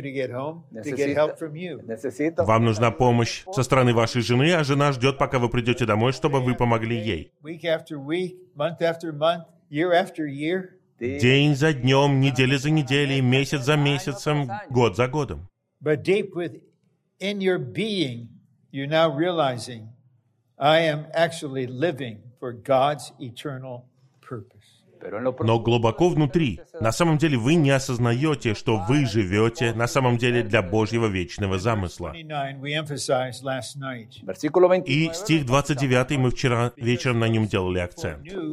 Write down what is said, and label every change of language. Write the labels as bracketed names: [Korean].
[Russian] Вам нужна помощь со стороны вашей жены, а жена ждет, пока вы придете домой, чтобы вы помогли ей. [English] Week after week, month after month, year after year. [Russian] День за днем, неделя за неделей, месяц за месяцем, год за годом. [English] But deep within your being, you're now realizing, I am actually living for God's eternal purpose. [Russian] Но глубоко внутри, на самом деле вы не осознаете, что вы живете на самом деле для Божьего вечного замысла. И стих 29, мы вчера вечером на нем делали акцент.